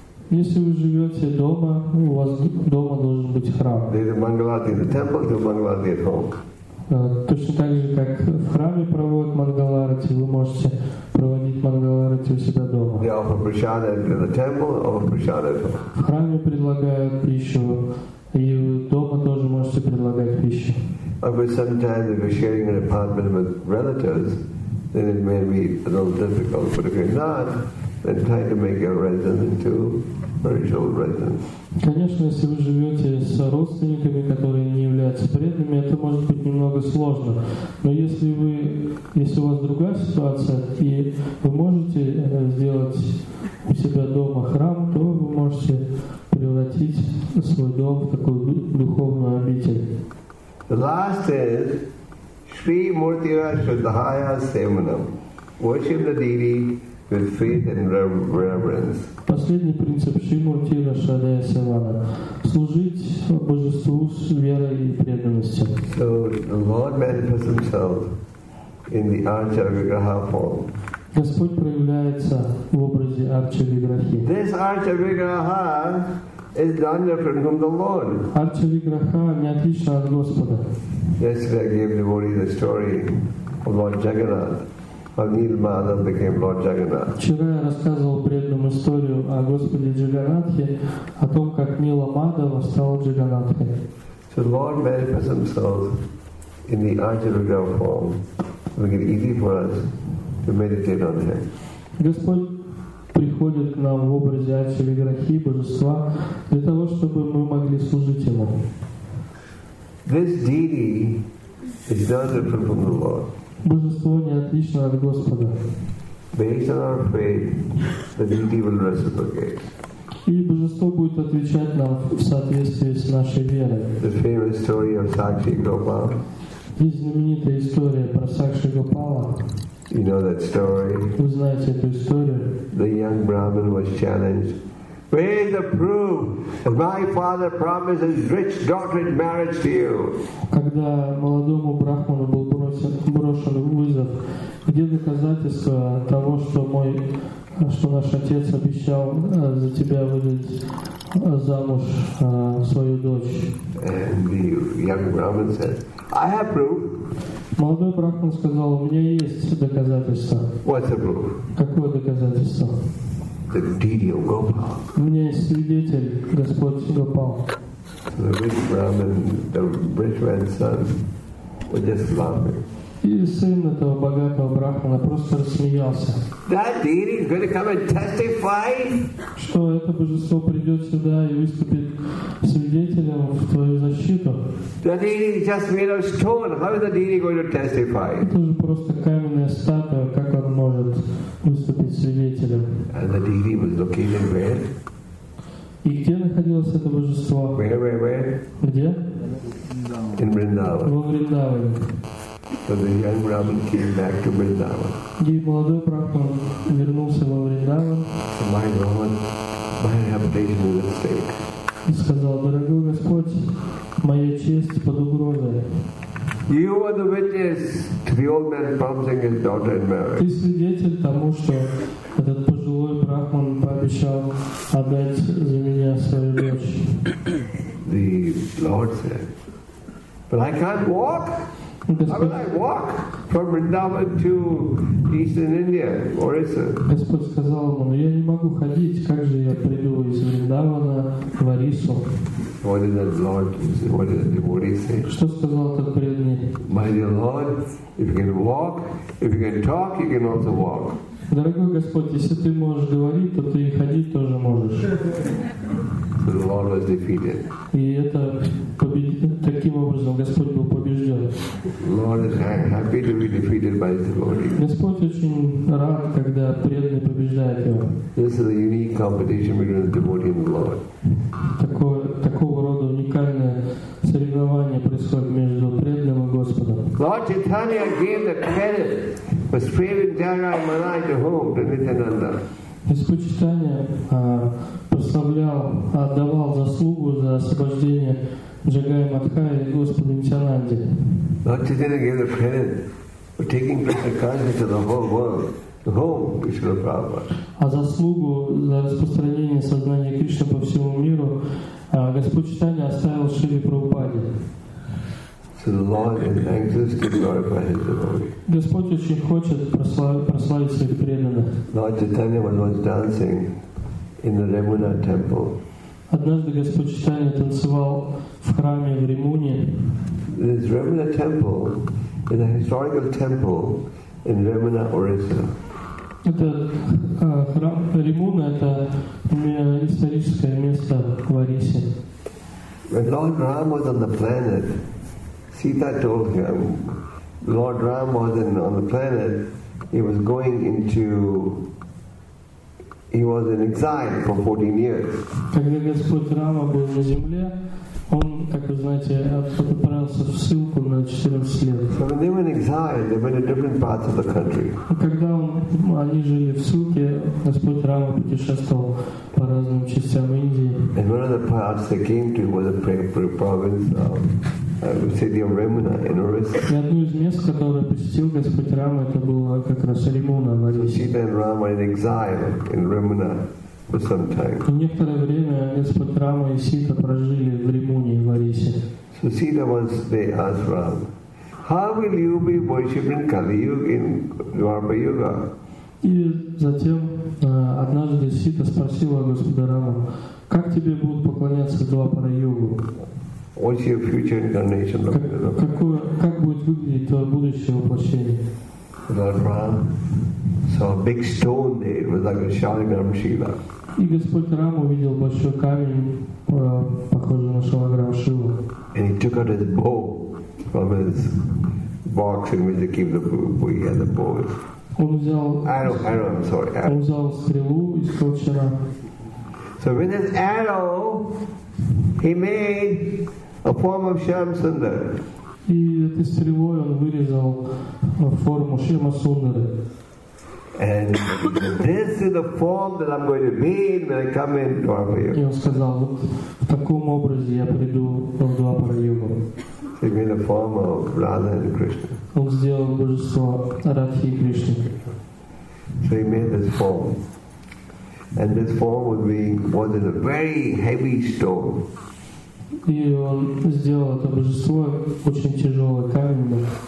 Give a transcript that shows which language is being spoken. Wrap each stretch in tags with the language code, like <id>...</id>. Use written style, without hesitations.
<ru>Если вы живете дома, у вас дома должен быть храм. Точно так же, как в храме проводят мангаларати, вы можете проводить мангаларати у себя дома.</ru> <en>They offer prasada in the temple, offer prasada at home.</en> <ru>В храме предлагают пищу, и дома тоже можете предлагать пищу.</ru> <en>But sometimes if you're sharing an apartment with relatives, then it may be a little difficult. But if you're not, then try to make your residence into spiritual residence.</en> <ru>Конечно, если вы живете с родственниками, которые не являются преданными, это может быть немного сложно. Но если у вас другая ситуация, и вы можете сделать у себя дома храм, то вы можете превратить свой дом в такую духовную обитель.</ru> <en>The last is Shri Murtira Shuddhaya Semanam. Worship the deity with faith and reverence.</en> <ru>Последний принцип Шримуртира Шадая Севана — служить Божеству с верой и преданностью.</ru> <en>So the Lord manifests Himself in the Archa-Vigraha form.</en> <ru>Господь проявляется в образе Арча-Виграхи.</ru> <en>This Archa-Vigraha is not different from the Lord.</en> <ru>Арча-Виграха не отлична от Господа.</ru> <en>Yesterday I gave devotees the story of Lord Jagannath. Anil Madhav became Lord Jagannath.</en> <ru>Вчера я рассказывал преданную историю о Господе Джаганнатхе, о том, как Нила Мадхава стал Джаганнатхой.</ru> <en>So Lord manifests Himself in the Archa-Vigraha form, making it easy for us to meditate on Him.</en> <ru>Господь приходит к нам в образе Арчи-Виграхи, Божества, для того, чтобы мы могли служить Ему.</ru> <en>This deity is not different from the Lord.</en> <ru>Божество не отлично от Господа.</ru> <en>Based on our faith, the deity will reciprocate.</en> <ru>И Божество будет отвечать нам в соответствии с нашей верой.</ru> <en>The famous story of Sakshi Gopala.</en> <ru>Есть знаменитая история про Сакши Гопала.</ru> <en>You know that story?</en> <ru>Вы знаете эту историю?</ru> <en>The young Brahmin was challenged. Where's the proof that my father promised his rich daughter marriage to you?</en> <ru>Когда молодому брахману был брошен вызов, где доказательство того, что мой, что наш отец обещал за тебя выдать замуж свою дочь?</ru> <en>And the young Brahmin said, I have proof.</en> <ru>Молодой брахман сказал, у меня есть доказательство.</ru> <en>What's the proof?</en> <ru>Какое доказательство?</ru> <en>The deity of Gopal.</en> <ru>У меня есть свидетель, Господь Гопал.</ru> <en>The rich Brahmin, the rich man's son, was just laughing.</en> <ru>И сын этого богатого брахмана просто рассмеялся.</ru> <en>That deity is going to come and testify.</en> <ru>Что это божество придет сюда и выступит свидетелем в твою защиту?</ru> <en>That deity is just made of stone. How is the deity going to testify?</en> <ru>Это же просто каменная статуя. Как он может выступить свидетелем?</ru> <en>And the deity was located where?</en> <ru>И где находилось это божество?</ru> <en>Where?</en> <ru>Где?</ru> <en>In Vrindavan.</en> <ru>Во Вриндаване.</ru> <en>So the young Brahmin came back to Vrindavan.</en> <ru>И молодой брахман вернулся во Вриндаван.</ru> <en>So my Lord, my reputation is at stake.</en> <ru>И сказал, дорогой Господь, моя честь под угрозой.</ru> <en>You are the witness to the old man promising his daughter in marriage.</en> <ru>Ты свидетель тому, что этот пожилой брахман пообещал отдать за меня свою дочь.</ru> <en>The Lord said, but I can't walk. How will I walk from Vrindavan to eastern India, Orissa?</en> <ru>Господь сказал ему, я не могу ходить, как же я приду из Вриндавана в Орису?</ru> <en>What did the Lord say? What did the devotee say?</en> <ru>Что сказал этот преданный?</ru> <en>My dear Lord, if you can walk, if you can talk, you can also walk.</en> <ru>Дорогой Господь, если ты можешь говорить, то ты и ходить тоже можешь.</ru> <en>So the Lord was defeated.</en> <ru>И это таким образом Господь был побежден.</ru> <en>Lord is happy to be defeated by his devotee.</en> <ru>Господь очень рад, когда преданный побеждает его.</ru> <en>This is a unique competition between the devotee and the Lord.</en> <ru>Такого рода уникальное соревнование происходит между преданным и Господом.</ru> <en>Lord Chaitanya gave the credit. Was praying Jai Malai to whom? To Nityananda.</en> <ru>Господь Читания прославлял, отдавал заслугу за освобождение Джагая Мадхая и Господу Нитянанде.</ru> <en>Lord Chaitanya gave the credit for taking Krishna consciousness to the whole world. To whom? Krishna Prabhupada.</en> <ru>А заслугу за распространение сознания Кришны по всему миру Господь Читания оставил Шиле Прабхупаде.</ru> <en>So the Lord is anxious to glorify His devotee.</en> <ru>Господь очень хочет прославить своих преданных.</ru> <en>Lord Chaitanya was dancing in the Ramuna temple.</en> <ru>Однажды Господь Чайтанья танцевал в храме в Римуне.</ru> <en>This Ramuna temple is a historical temple in Ramuna, Orissa.</en> <ru>Это храм Римуна, это историческое место в Орисе.</ru> <en>When Lord Ram was on the planet, Sita told him, Lord Ram wasn't on the planet, he was in exile for 14 years.</en> <ru>Когда Господь Рама был на земле, он, как вы знаете, отправился в ссылку на 14 лет.</ru> <en>So when they were in exile, they went to different parts of the country.</en> <ru>Когда они жили в ссылке, Господь Рама путешествовал по разным частям Индии.</ru> <en>And one of the parts they came to was a province of city of Ramuna in Orissa.</en> <ru>И одно из мест, которое посетил Господь Рама, это было как раз Римуна в Орисе.</ru> <en>Sita and Ram were in exile in Ramuna for some time.</en> <ru>И некоторое время Господь Рама и Сита прожили в Римуне в Орисе.</ru> <en>So Sita once they asked Ram, how will you be worshiping Kali Yuga in Dwarpa Yuga?</en> <ru>И затем однажды Сита спросила Господа Раму, как тебе будут поклоняться в Двапара Югу?</ru> <en>What's your future incarnation look like? Lord Ram saw a big stone there. It was like a Shalagram Shila.</en> <ru>И Господь Рама увидел большой камень, похожий на Шалаграм Шилу.</ru> <en>And he took out his bow from his box in which he kept the bow. He had the bow.</en> <ru>Он взял стрелу из колчана.</ru> <en>So with his arrow, he made a form of Shyam Sundar.</en> <ru>И этой стрелой он вырезал форму Шрима Сундары.</ru> <en>And this is the form that I'm going to be in when I come in Dwapara Yuga.</en> <ru>И он сказал, вот в таком образе я приду в Двапара Югу.</ru> <en>He made a form of Radha and Krishna.</en> <ru>Он сделал божество Радхи и Кришны.</ru> <en>So he made this form. And this form would be was in a very heavy stone.</en> <ru>И он сделал это божество очень тяжелое каменное.</ru>